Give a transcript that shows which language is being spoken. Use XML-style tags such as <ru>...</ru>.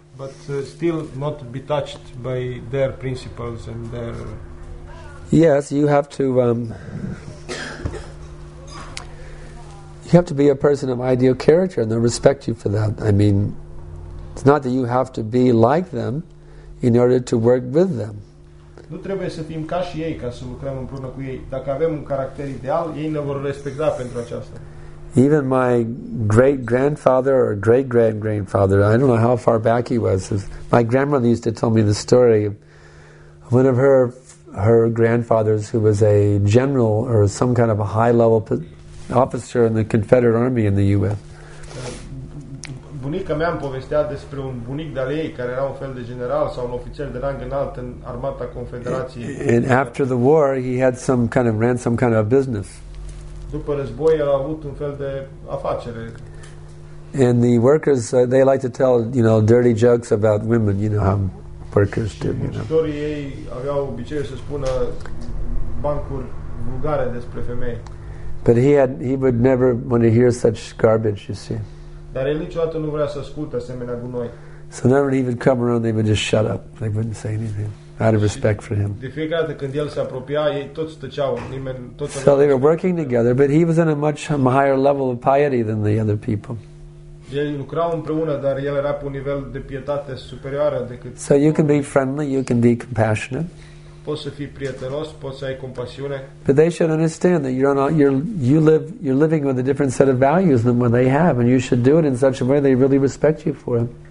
<en>but still not be touched by their principles and their... Yes, you have to... You have to be a person of ideal character, and they'll respect you for that. I mean, it's not that you have to be like them in order to work with them.</en> <ro>Nu trebuie să fim ca și ei ca să lucrăm împreună cu ei. Dacă avem un caracter ideal, ei ne vor respecta pentru aceasta.</ro> <en>Even my great-grandfather or great-grand-grandfather, I don't know how far back he was. My grandmother used to tell me the story of one of her grandfathers who was a general or some kind of a high-level officer in the Confederate Army in the U.S.</en> <ro>Bunica mea îmi povestea despre un bunic de-al ei care era un fel de general sau un ofițer de rang înalt în armata Confederației.</ro> <en>And after the war, he had some kind of ran some kind of a business.</en> <ro>După război, el a avut un fel de afacere.</ro> <en>And the workers, they like to tell, you know, dirty jokes about women. You know how workers do.</en> <ro>Muncitorii ei aveau obicei să spună bancuri vulgare despre femei.</ro> <en>But he would never want to hear such garbage, you see.</en> <ro>Dar el niciodată nu vrea să asculte asemenea gunoi.</ro> <en>So then when he would come around, they would just shut up. They wouldn't say anything out of respect for him.</en> <ro>De fiecare dată când el se apropia, ei toți tăceau. Nimeni, tot.</ro> <en>So they were working together, but he was in a much higher level of piety than the other people.</en> <ro>Ei lucrau împreună, dar el era pe un nivel de pietate superioară decât.</ro> <en>So you can be friendly, you can be compassionate.</en> <ro>Poți să fii prietenos, poți să ai compasiune.</ro> <en>But they should understand that you're living with a different set of values than what they have, and you should do it in such a way they really respect you for it.</en>